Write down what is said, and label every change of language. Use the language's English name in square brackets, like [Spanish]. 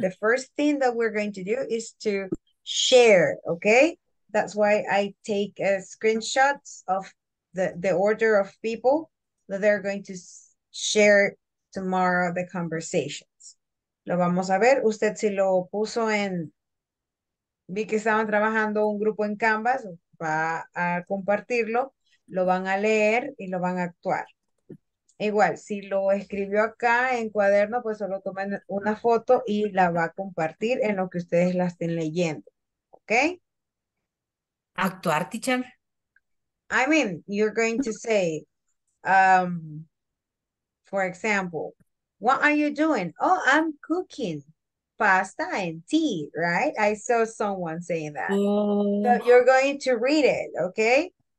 [English] The first thing that we're going to do is to share, okay? That's why I take screenshots of the order of people that they're going to share tomorrow the conversations. [Spanish] Lo vamos a ver. Usted si lo puso en... Vi que estaban trabajando un grupo en Canvas. Va a compartirlo. Lo van a leer y lo van a actuar. Igual, si lo escribió acá en cuaderno, pues solo tomen una foto y la va a compartir en lo que ustedes la estén leyendo. ¿Ok? ¿Actuar, teacher? [English] I mean, you're going to say, for example, what are you doing? Oh, I'm cooking pasta and tea, right? I saw someone saying that. Oh. So you're going to read it, okay?